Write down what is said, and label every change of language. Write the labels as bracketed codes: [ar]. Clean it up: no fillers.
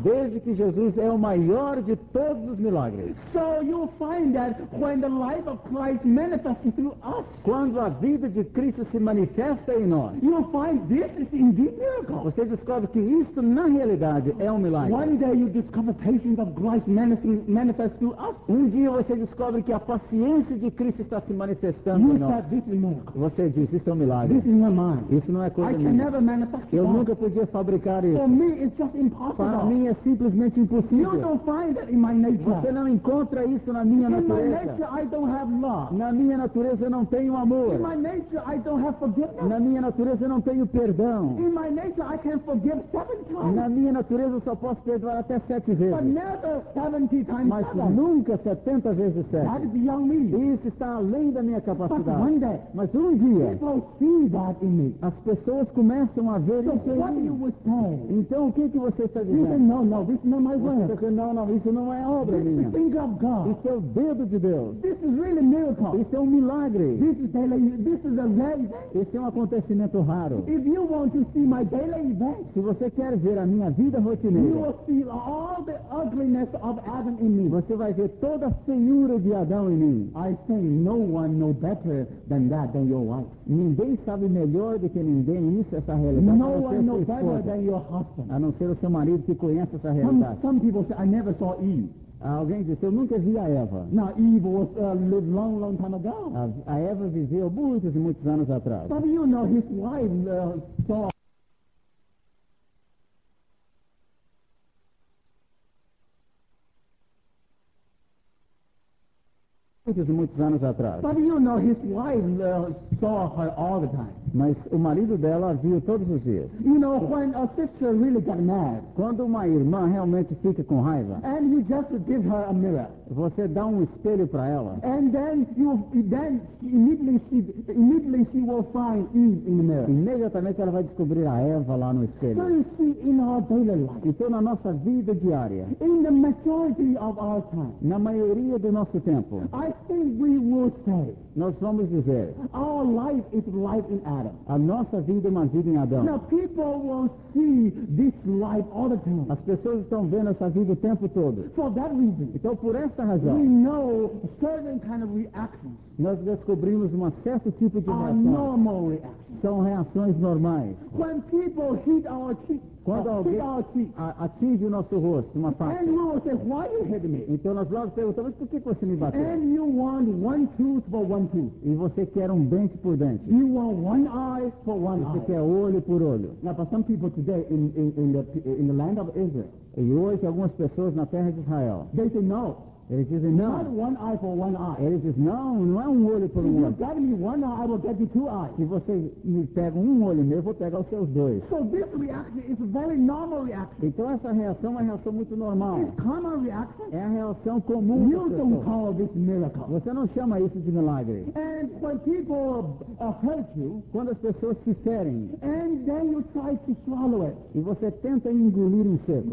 [pt] Desde que Jesus é o maior de todos os milagres. [en] So you find that when the life of Christ manifests through us, [pt] quando a vida de Cristo se manifesta em nós, [en] you find this is indeed miracle. [pt] Você descobre que isso na realidade é um milagre. [en] One day you discover patience of Christ manifests through us. [pt] Um dia você descobre que a paciência de Cristo está se manifestando em nós. [en] This is miracle. [pt] Você diz, isso é um milagre. [en] This is not mine. [pt] Isso não é coisa minha. [en] I can never manifest. [pt] Eu nunca podia fabricar isso. [en] For me, it's just impossible. [pt] Para mim é simplesmente impossível. [en] You don't find that in my nature. [pt] Você não encontra isso na minha natureza. [en] In my nature, I don't have love. [pt] Na minha natureza eu não tenho amor. [en] In my nature, I don't have forgiveness. [pt] Na minha natureza eu não tenho perdão. [en] In my nature, I can forgive 7 times. [pt] Na minha natureza eu só posso perdoar até 7 vezes. [en] But never 70 times. [pt] Mas nunca 70 vezes 7. [en] That is beyond me. [pt] Isso está além da minha capacidade. [en] But one day, [pt] mas um dia, [en] people see that in me. [pt] As pessoas começam a ver isso. [en] So what you would say? [pt] Então o que que você está dizendo? [en] Said, no, this is not my work. Said, no, [pt] isso não é obra minha. [en] This finger of God. [pt] Isso é o dedo de Deus. [en] This is really miracle. [pt] Isso é um milagre. [en] This is a very. [pt] Esse é um acontecimento raro. [en] If you want to see my daily event, [pt] se você quer ver a minha vida rotineira, [en] you will see all the ugliness of Adam in me. [pt] Você vai ver toda a feiura de Adão em mim. [en] I think no one know better than that than your wife. [pt] Ninguém sabe melhor do que ninguém isso, essa realidade. [en] No one knows better than your husband. [pt] A não ser o seu marido que conhece essa realidade. [en] Some people say, I never saw Eve. [pt] Alguém disse, eu nunca vi a Eva. [en] Now, Eve was lived long time ago. [pt] A Eva viveu muitos e muitos anos atrás. [en] But you know, his wife saw. [pt] Muitos anos atrás. [en] But you know, his wife saw her all the time. [pt] Mas o marido dela a viu todos os dias. [en] You know, when a sister really got mad, [pt] quando uma irmã realmente fica com raiva, [en] and you just give her a mirror, [pt] você dá um espelho para ela, [en] and then immediately she will find Eve in the mirror. [pt] Imediatamente ela vai descobrir a Eva lá no espelho. [en] So you see, in our daily life, [pt] então na nossa vida diária, [en] in the majority of our time, [pt] na maioria do nosso tempo, [en] I think we will say, [pt] nós vamos dizer, [en] our life is life in Adam. [pt] A nossa vida é uma vida em Adão. [en] Now people will see this life all the time. [pt] As pessoas estão vendo essa vida o tempo todo. [en] For that reason, [pt] então por essa razão, [en] we know certain kind of reactions. [pt] Nós descobrimos um certo tipo de reação. [en] Normal reactions. [pt] São reações normais. [en] When people hit our cheek. [pt] Quando alguém atinge o nosso rosto, uma face. [en] And you will say, why are you hitting me? [pt] Então nós logo perguntamos, por que você me bateu? [en] And you want one tooth for one tooth. [pt] E você quer um dente por dente. [en] You want one eye for one [pt] você [en] eye. [pt] Você quer olho por olho. [en] Now, for some people today in the land of Israel. [pt] E hoje algumas pessoas na terra de Israel. [en] They say no. [pt] Eles dizem não. [en] Not one eye for one eye. [pt] Eles dizem não, não é um olho por um olho. [en] If you get me one eye, I will get you 2 eyes. [pt] Se você me pega um olho meu, eu vou pegar os seus dois. [en] So this reaction is a very normal reaction. [pt] Então essa reação é uma reação muito normal. [en] It's common reaction. [pt] É a reação comum. [en] You don't call this miracle. [pt] Você não chama isso de milagre. [en] And when people hurt you, [pt] quando as pessoas te ferem, [en] and then you try to swallow it, [pt] e você tenta engolir em seco,